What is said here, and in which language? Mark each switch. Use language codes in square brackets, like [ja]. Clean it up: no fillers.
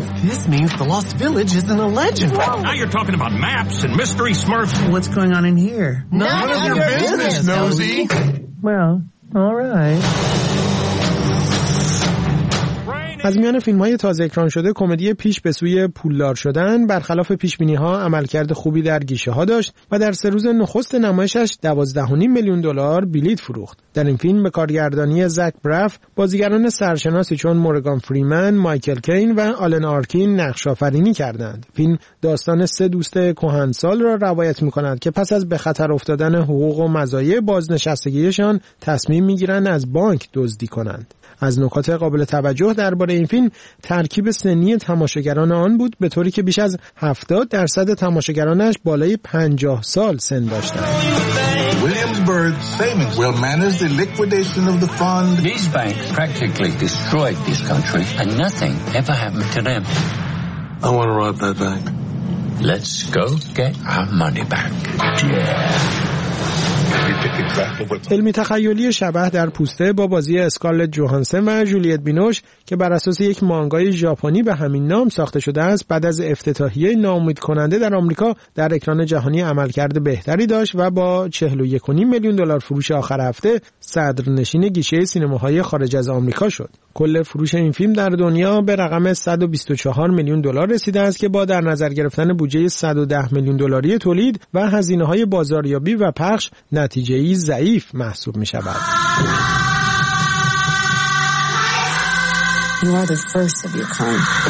[en] This means the Lost Village isn't a legend. Whoa. Now you're talking about maps and mystery smurfs. What's going on in here? None of your business, Nosy. Well, all right. [fa] از میان فیلم‌های تازه اکران شده کمدی پیش به سوی پولدار شدن برخلاف پیشبینی‌ها عملکرد خوبی در گیشه‌ها داشت و در سه روز نخست نمایشش 12.5 میلیون دلار بلیت فروخت. در این فیلم به کارگردانی زک براف بازیگران سرشناسی چون مورگان فریمن، مایکل کین و آلن آرکین نقش‌آفرینی کردند. فیلم داستان سه دوست کهنسال را روایت می‌کند که پس از به خطر افتادن حقوق و مزایای بازنشستگی‌شان تصمیم می‌گیرند از بانک دزدی کنند. از نکات قابل توجه درباره این فیلم ترکیب سنی تماشاگران آن بود، به طوری که بیش از 70% تماشاگرانش بالای 50 سال سن داشتند. [en] Williamsburg Savings will manage the liquidation of the fund. These banks practically destroyed this country and nothing ever happened to them. I want to rob that bank. Let's go get our money back. [fa] فیلم تخیلی شبح در پوسته با بازی اسکارلت جوهانسن و جولیت بینوش که بر اساس یک مانگای ژاپنی به همین نام ساخته شده است، بعد از افتتاحیه ناامیدکننده در آمریکا در اکران جهانی عملکرد بهتری داشت و با 41.5 میلیون دلار فروش آخر هفته صدرنشین گیشه سینماهای خارج از آمریکا شد. کل فروش این فیلم در دنیا به رقم 124 میلیون دلار رسیده است که با در نظر گرفتن بودجه 110 میلیون دلاری تولید و هزینه‌های بازاریابی و پخش نتیجه‌ای ضعیف محسوب می‌شود. [en] You are the first of your kind.